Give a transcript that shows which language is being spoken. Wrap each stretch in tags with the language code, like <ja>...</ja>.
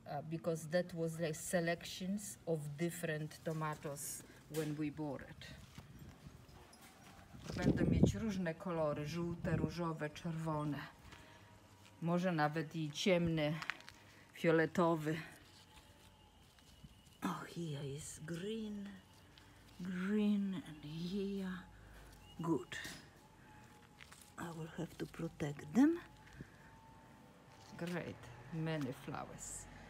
<en>Because that was like selections of different tomatoes when we bought it.</en> <pl>Będą mieć różne kolory, żółte, różowe, czerwone. Może nawet i ciemny, fioletowy.</pl> <en>Oh, here is green, green, and here, good. I will have to protect them. Great, many flowers.</en>